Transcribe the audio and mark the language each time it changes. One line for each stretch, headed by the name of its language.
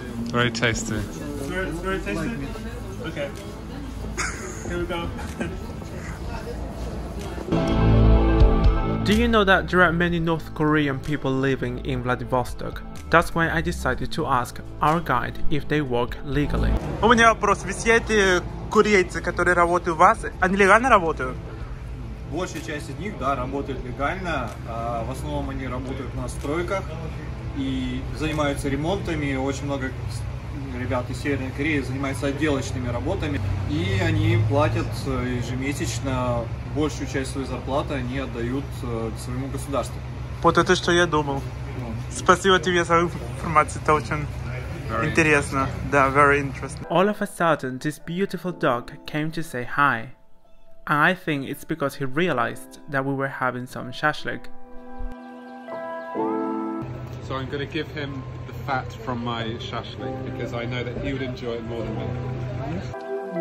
English: very tasty. It's very tasty? Okay. Here we go. Do you know that there are many North Korean people living in Vladivostok? That's why I decided to ask our guide if they work legally.
Russian: У меня вопрос. Ведь эти корейцы, которые работают у вас, они легально работают? Большая часть из них, да, работают легально. В основном они работают на стройках и занимаются ремонтами. Очень много ребят из Северной Кореи занимаются отделочными работами. И они платят ежемесячно, большую часть своей зарплаты они отдают своему государству. Вот это что я думал. Спасибо тебе за информацию, это очень интересно. Да,
English: very interesting. All of a sudden, this beautiful dog came to say hi. And I think it's because he realized that we were having some shashlik. So I'm going to give him the fat from my shashlik because I know that he would enjoy it more than me.